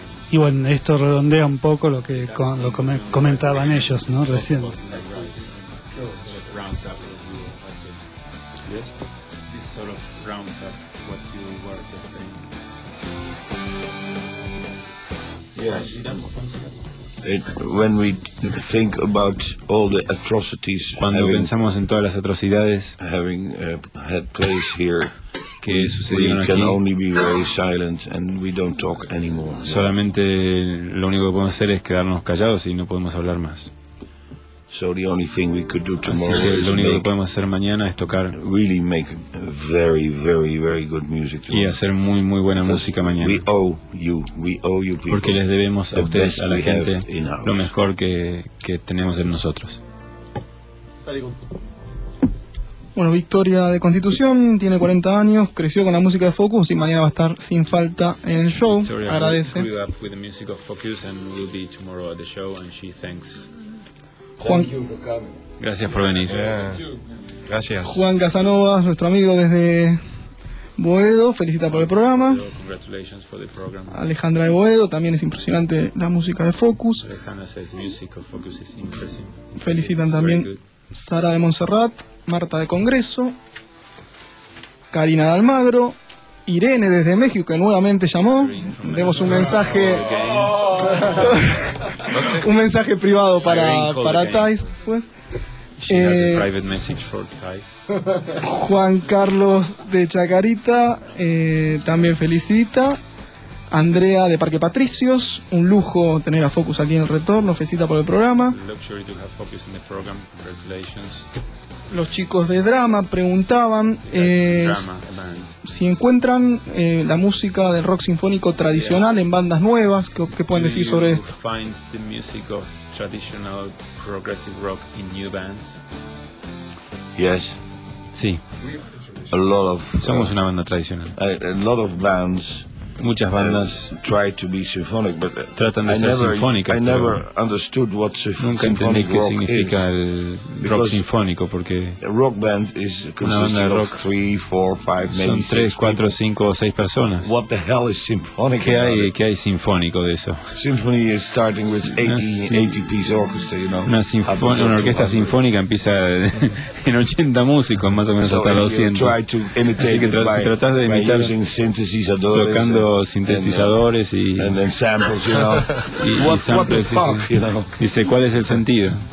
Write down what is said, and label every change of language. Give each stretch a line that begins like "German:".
Spanish: Y bueno, esto redondea un poco lo que comentaban ellos, ¿no? Recién.
English: Sort of rounds up what you were just saying. Yes. When we think about all the atrocities,
Spanish: cuando pensamos en todas las atrocidades,
English: having had place here,
Spanish: que sucedieron aquí,
English: we can only be very silent and we don't talk anymore.
Spanish: Solamente lo único que podemos hacer es quedarnos callados y no podemos hablar más.
English: So the only thing we could do tomorrow
Spanish: así,
English: is
Spanish: lo único que podemos hacer mañana es tocar.
English: Really make very, very, very good music tomorrow.
Spanish: Y hacer muy, muy buena música mañana.
English: We owe you people.
Spanish: Porque les debemos a ustedes, a la gente, lo mejor que tenemos en nosotros. Bueno, Victoria de Constitución tiene 40 años, creció con la música de Focus y mañana va a estar sin falta en el show. Victoria agradece.
English: Grew up with the music of Focus and will be tomorrow at the show and she thanks.
Spanish: Juan, gracias por venir. Yeah. Gracias. Juan Casanova, nuestro amigo desde Boedo, felicita por el programa.
English: Congratulations for the program.
Spanish: Alejandra de Boedo, también es impresionante la música de Focus.
English: Alejandra says music of Focus is impressive.
Spanish: Felicitan también Sara de Montserrat, Marta de Congreso, Karina de Almagro, Irene desde México que nuevamente llamó. Demos un mensaje. Un mensaje privado para Thais, pues.
English: She has a private message for Thais.
Spanish: Juan Carlos de Chacarita también felicita. Andrea de Parque Patricios, un lujo tener a Focus aquí en el retorno, felicita por el programa.
English: Luxury to have Focus in the program. Congratulations.
Spanish: Los chicos de Drama preguntaban si encuentran la música del rock sinfónico tradicional en bandas nuevas, ¿qué pueden decir sobre esto?
English: Find the music of traditional progressive rock in new bands. Yes.
Spanish: Sí.
English: A lot of
Spanish: somos una banda tradicional.
English: A lot of bands.
Spanish: Muchas bandas
English: try to be symphonic, but
Spanish: tratan de ser sinfónicas. Nunca entendí qué significa el rock sinfónico, porque
English: rock band is
Spanish: una banda de rock
English: of three, four, five, maybe
Spanish: son 3, 4, 5 o 6 personas.
English: What the hell is symphonic?
Spanish: ¿Qué hay sinfónico de eso?
English: Symphony is starting with 80 piece orchestra, you know.
Spanish: Una orquesta sinfónica empieza en 80 músicos, más o menos,
English: so
Spanish: hasta los 100.
English: Try to imitate.
Spanish: Así que tratas de imitar
English: using synthesizers,
Spanish: sintetizadores
English: and samples, you know.
Spanish: y samples
English: what the fuck, you know.
Spanish: Dice, ¿cuál es el sentido?